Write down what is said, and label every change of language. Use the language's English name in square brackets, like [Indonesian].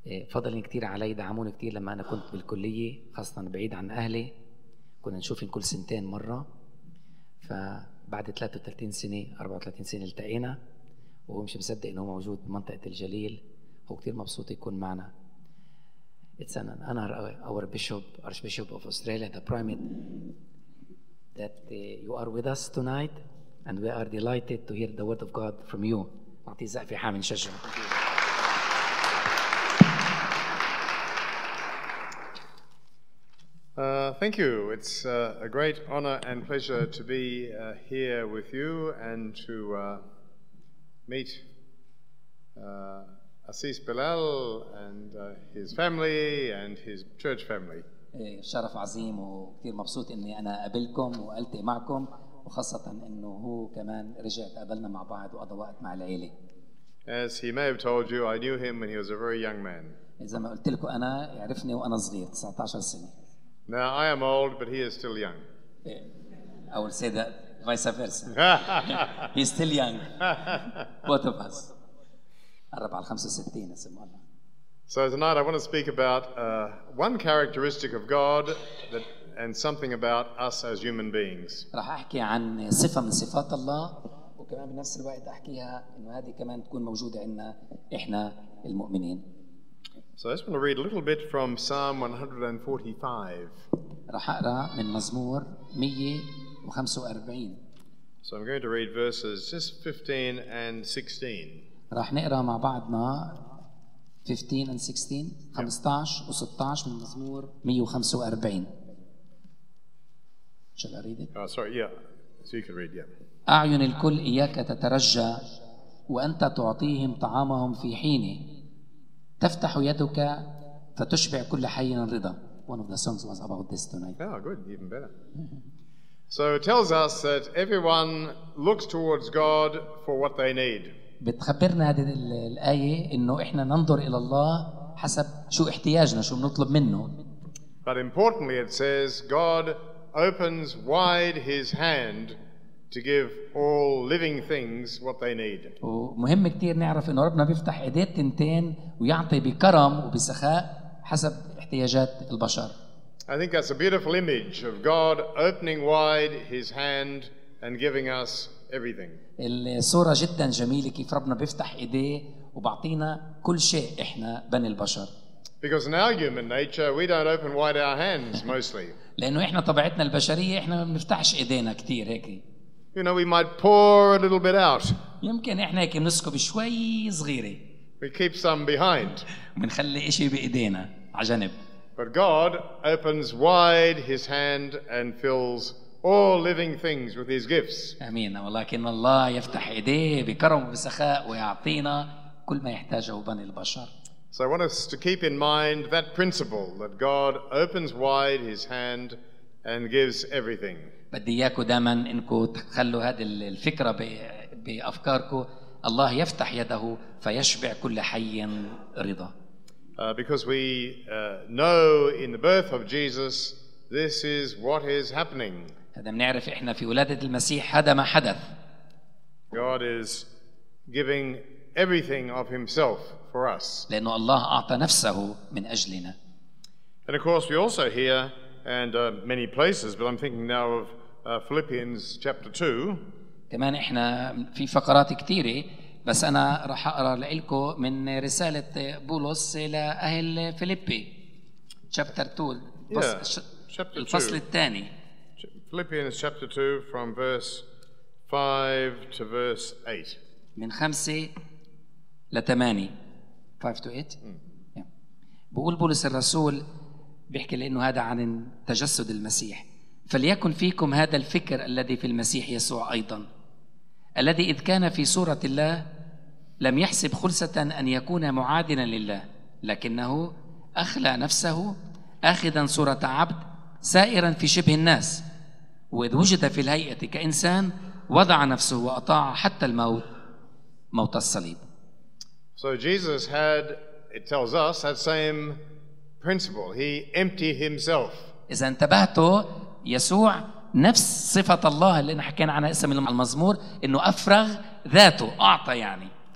[Arabic] فضل كتير علي، دعموني كتير لما أنا كنت بالكلية خاصة بعيد عن أهلي، كنا نشوفهم كل سنتين مرة. فبعد 34 سنة التقينا، وهو مش مصدق أنه موجود بمنطقة الجليل، هو كتير مبسوط يكون معنا. [English] It's an honor our bishop, Archbishop of Australia, the primate, that you are with us tonight, and we are delighted to hear the word of God from you. [Arabic] نعطي الزقفة حامل نشجع. [English] Thank you. It's a great honor and pleasure to be here with you and to meet Asis Bilal and his family and his church family. [Arabic] شرف عظيم وكثير مبسوط اني انا قابلكم وقلت معكم وخاصه انه هو كمان رجع قابلنا مع بعض وقضى وقت مع العيله. [English] As he may have told you, I knew him when he was a very young man. [Arabic] اذا ما قلت لكم انا يعرفني وانا صغير 19 سنه. [English] Now I am old, but he is still young. I will say that vice versa. He's still young. Both of us. [Arabic] قرب على 65 اسم الله. [English] So tonight I want to speak about one characteristic of God that, and something about us as human beings. [Arabic] راح احكي عن صفه من صفات الله وكمان بنفس الوقت احكيها انه هذه كمان تكون موجوده عندنا احنا المؤمنين. [English] So I just want to read a little bit from Psalm 145. [Arabic] راح اقرا من مزمور 145. [English] So I'm going to read verses just 15 and 16. [Arabic] راح نقرا مع بعضنا [English] 15 and 16, [Arabic] 15 و 16 من مزمور 145. [English] Shall I read it? Sorry, yeah. So you can read, yeah. [Arabic] أعين الكل إياك تترجى وأنت تعطيهم طعامهم في حينه. تفتح يدك فتشبع كل حي رضا. [English] One of the songs was about this tonight. Oh, good, even better. So it tells us that everyone looks towards God for what they need. [Arabic] بتخبرنا هذه الآية إنه إحنا ننظر إلى الله حسب شو احتياجنا شو بنطلب منه. [English] But importantly, it says God opens wide His hand to give all living things what they need. [Arabic] ومهم كتير نعرف إنه ربنا بيفتح إيديه تنتين ويعطي بكرم وبسخاء حسب احتياجات البشر. [English] I think that's a beautiful image of God opening wide His hand and giving us everything. [Arabic] الصورة جدا جميلة كيف ربنا بيفتح إيديه وبعطينا كل شيء إحنا بني البشر. [English] Because in our human nature, we don't open wide our hands mostly. [Arabic] لأنه إحنا طبيعتنا البشرية إحنا ما بنفتحش إيدينا كتير هيك. [English] You know, we might pour a little bit out. [Arabic] يمكن إحنا هيك بنسكب شوي صغيرة. [English] We keep some behind. [Arabic] بنخلي إشي بإيدينا على جنب. [English] But God opens wide His hand and fills all living things with His gifts. [Arabic] آمين. ولكن الله يفتح إيديه بكرم وبسخاء ويعطينا كل ما يحتاجه بني البشر. [English] So I want us to keep in mind that principle that God opens wide His hand and gives everything. [Arabic] بدي إياكم دائما إنكم تخلوا هذه الفكرة بأفكاركم. الله يفتح يده فيشبع كل حي رضا. [English] Because we know in the birth of Jesus, this is what is happening. [Arabic] هذا منعرف إحنا في ولادة المسيح هذا ما حدث. [English] God is giving everything of Himself for us. [Arabic] لأنه الله أعطى نفسه من أجلنا. [English] And of course we also hear and many places, but I'm thinking now of Philippians chapter 2. [Arabic] كمان إحنا في فقرات كتيرة بس أنا راح أقرأ لإلكو من رسالة بولس إلى أهل فيليبي. [English] Chapter 2. [Arabic] الفصل الثاني. [English] Philippians chapter 2 from verse 5 to verse 8. [Arabic] من 5 ل 8. [English] 5 to 8. Yeah. [Arabic] بقول بولس الرسول بيحكي لأنه هذا عن تجسد المسيح. فليكن فيكم هذا الفكر الذي في المسيح يسوع أيضا، الذي إذ كان في صورة الله لم يحسب خلسة أن يكون معادلا لله، لكنه أخلى نفسه أخذا صورة عبد سائرا في شبه الناس، وإذ وجد في الهيئة كإنسان وضع نفسه وأطاع حتى الموت، موت الصليب. So Jesus had, it tells us, that same principle. He emptied himself. إذا انتبهتوا يسوع نفس صفة الله اللي نحكينا عنها اسم المزمور إنه أفرغ ذاته أعطى يعني.